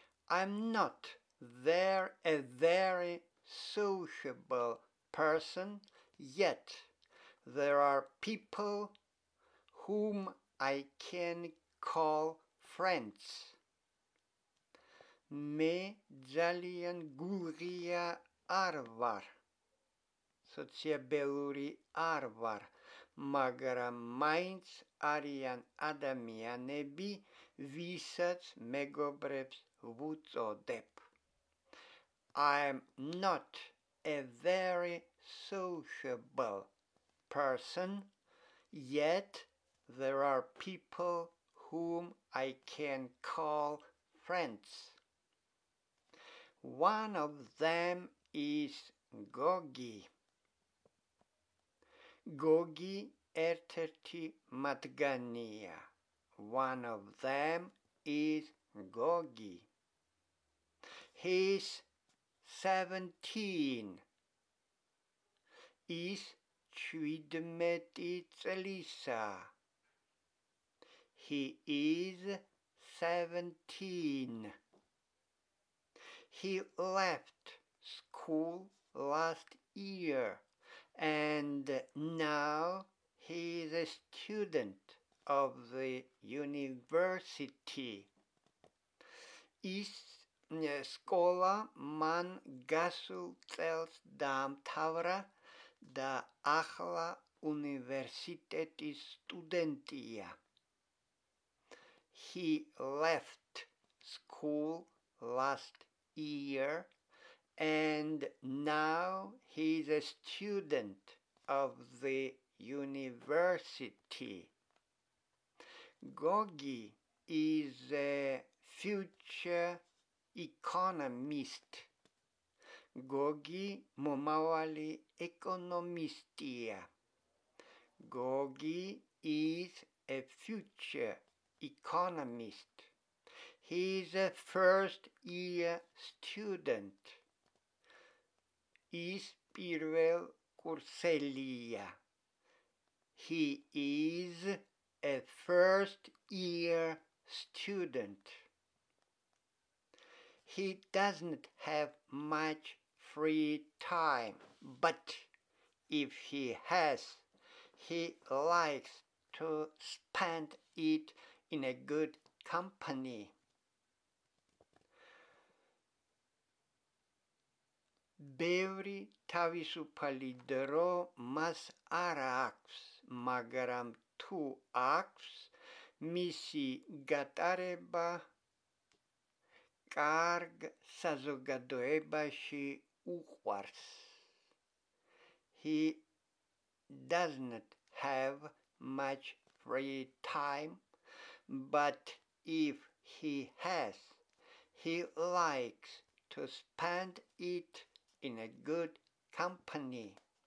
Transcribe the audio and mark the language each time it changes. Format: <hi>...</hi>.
<en>I'm not a very sociable person, yet there are people whom I can call friends.</en> <ka>Me ძალიან გულღია არ ვარ. Sociabeluri არ ვარ, მაგრამ მაინც არიან ადამიანები, ვისაც მეგობრებს ვუწოდებ.</ka> <en>I'm not a very sociable person, yet there are people whom I can call friends. One of them is Gogi.</en> <ka>Gogi ერთ-ერთი მათგანია.</ka> <en>One of them is Gogi. He's 17.</en> <ka>Is 17 წლისა.</ka> <en>He is 17. He left school last year, and now he is a student of the university.</en> <ka>Is სკოლა მან გასულ წელს დაამთავრა და ახლა უნივერსიტეტის სტუდენტია.</ka> <en>He left school last year and now he is a student of the university. Gogi is a future economist.</en> <ka>Gogi მომავალი ეკონომისტია.</ka> <en>Gogi is a future economist. He is a first year student.</en> <ka>Is პირველ კურსელია.</ka> <en>He is a first year student. He doesn't have much free time, but if he has, he likes to spend it in a good company.</en> <ka>Ბევრი თავისუფალი დრო მას არ აქვს, მაგრამ თუ აქვს, მისი გატარება კარგ საზოგადოებაში უყვარს.</ka> <en>He doesn't have much free time, but if he has, he likes to spend it in a good company.</en>